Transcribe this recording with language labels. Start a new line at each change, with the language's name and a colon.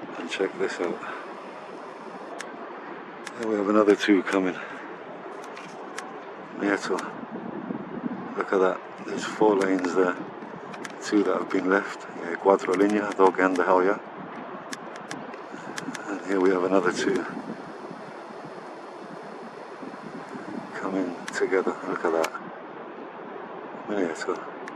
English: Check this out. There we have another two coming. Nieto. Look at that. There's four lanes there. Two that have been left.
Spanish: Yeah, cuatro línea, dos que han dejado ya.
English: And here we have another two coming together. Look at that. Nieto.